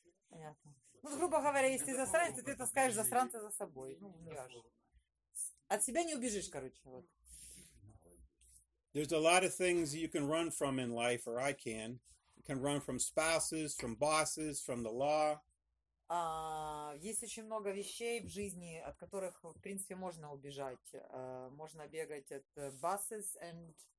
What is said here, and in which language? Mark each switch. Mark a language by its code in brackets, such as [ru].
[ru] Понятно. Ну, грубо говоря, если ты засранец, то ты таскаешь засранца за собой. Ну, убежишь. От себя не убежишь, короче. Вот. [en] There's a lot of things you can run from in life, or I can. You can run from spouses, from bosses, from the law. [ru] Есть очень много вещей в жизни, от которых, в принципе, можно убежать. Можно бегать от [en] buses and...